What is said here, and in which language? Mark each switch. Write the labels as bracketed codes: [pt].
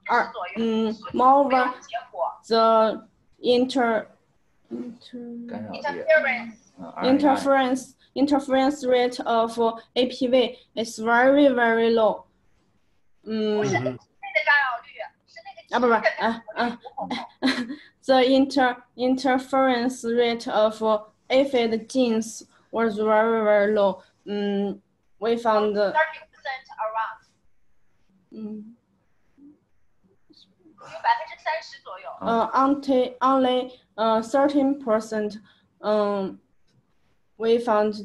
[en] 而moreover, the interference rate of APV is very, very low. [zh] 不是那个干扰率，是那个基因的干扰率。 [en] The interference rate of aphid genes was very, very low. We found 30% around. 30% [zh] 左右 [en] we found